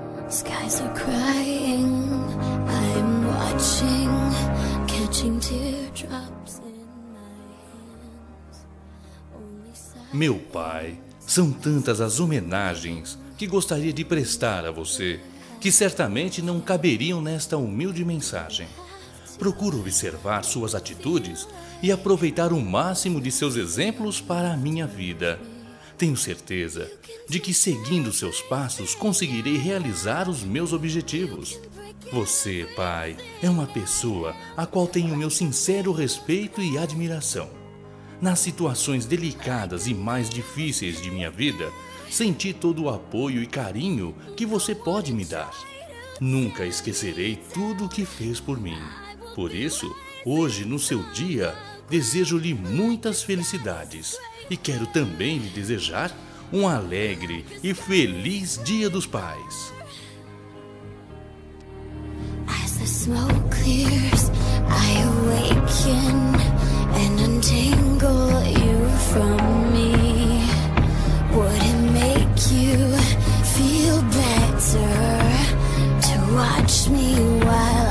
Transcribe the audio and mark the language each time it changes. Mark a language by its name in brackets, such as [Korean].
[English] Skies are crying, I'm watching, catching teardrops in my hands. [Portuguese] Meu pai, são tantas as homenagens que gostaria de prestar a você, que certamente não caberiam nesta humilde mensagem. Procuro observar suas atitudes e aproveitar o máximo de seus exemplos para a minha vida. Tenho certeza de que seguindo seus passos conseguirei realizar os meus objetivos. Você, pai, é uma pessoa a qual tenho meu sincero respeito e admiração. Nas situações delicadas e mais difíceis de minha vida, senti todo o apoio e carinho que você pode me dar. Nunca esquecerei tudo o que fez por mim. Por isso, hoje, no seu dia, desejo-lhe muitas felicidades e quero também lhe desejar um alegre e feliz Dia dos Pais. [English] As the smoke clears, I awaken and untangle you from me. Would it make you feel better to watch me while